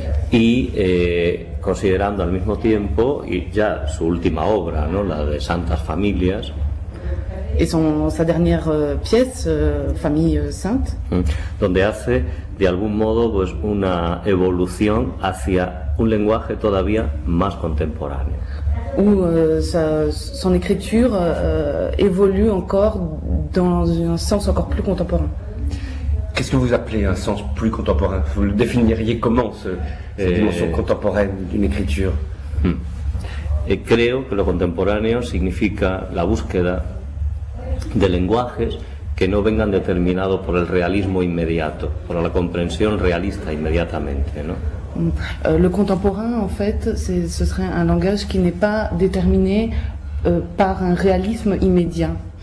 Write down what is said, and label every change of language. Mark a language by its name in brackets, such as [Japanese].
[Spanish] Y considerando al mismo tiempo, y ya su última obra, ¿no? La de Santas Familias. [French] Et sa dernière pièce, Famille Sainte. [Spanish] Donde hace, de algún modo, pues, una evolución hacia un lenguaje todavía más contemporáneo. [French] Où son écriture évolue encore dans un sens encore plus contemporain. Qu'est-ce que vous appelez un sens plus contemporain? Vous le définiriez comment, cette dimension contemporaine d'une écriture? [Spanish] Creo que lo contemporáneo significa la búsqueda de lenguajes que no vengan determinados por el realismo inmediato, por la comprensión realista inmediatamente, ¿no? [French] Le contemporain, en fait, ce serait un langage qui n'est pas déterminé par un réalisme immédiat.